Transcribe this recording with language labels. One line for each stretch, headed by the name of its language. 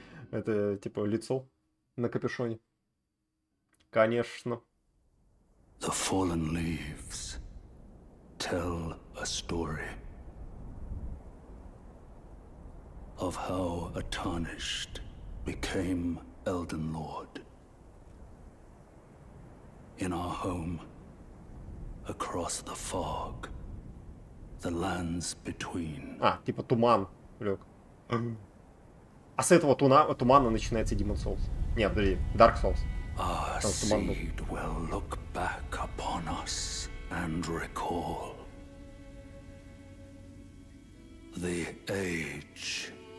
Russian: Это, типа, лицо на капюшоне. Конечно.
English: The fallen leaves tell a story. Of how a tarnished became Elden Lord. In our home, across the fog, the lands between.
Russian: А, типа туман, Люк. А с этого тумана начинается Demon's Souls. Нет, подожди, Dark Souls.
English: Our seed will look back upon us and recall the age.